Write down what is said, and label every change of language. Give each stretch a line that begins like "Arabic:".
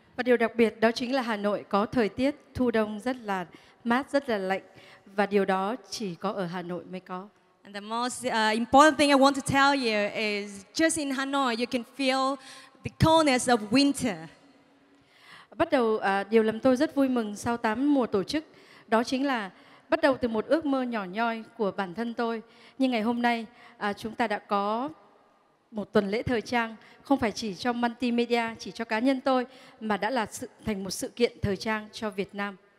Vietnamese: Và điều đặc biệt đó chính là Hà Nội có thời tiết thu đông rất là mát, rất là lạnh, và điều đó chỉ có ở Hà Nội mới có.
English: And the most important thing I want to tell you is just in Hanoi you can feel the coldness of winter.
Vietnamese: Bắt đầu điều làm tôi rất vui mừng sau 8 mùa tổ chức đó chính là bắt đầu từ một ước mơ nhỏ nhoi của bản thân tôi. Nhưng ngày hôm nay, chúng ta đã có một tuần lễ thời trang, không phải chỉ cho Multimedia, chỉ cho cá nhân tôi, mà đã là thành một sự kiện thời trang cho Việt Nam.